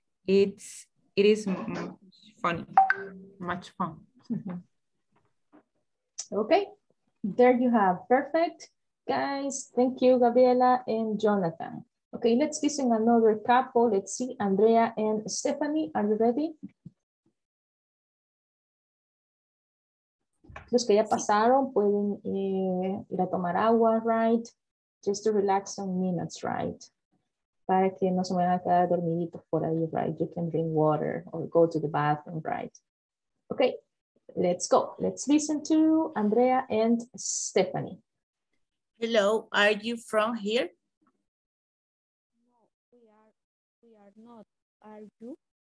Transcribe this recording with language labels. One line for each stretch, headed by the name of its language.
English: It is much fun. Much fun. Okay, there you have. Perfect. Guys, thank you, Gabriela and Jonathan. Okay, let's listen another couple. Let's see, Andrea and Stephanie, are you ready?
Spanish: Los que ya pasaron pueden ir a tomar agua, right?
English: Just to relax some minutes,
Spanish: right? Para que no se me vayan a quedar dormiditos por ahí, right?
English: You can drink water or go to the bathroom, right? Okay, let's go. Let's listen to Andrea and Stephanie. Hello, are you from here? No, we are not. Are you?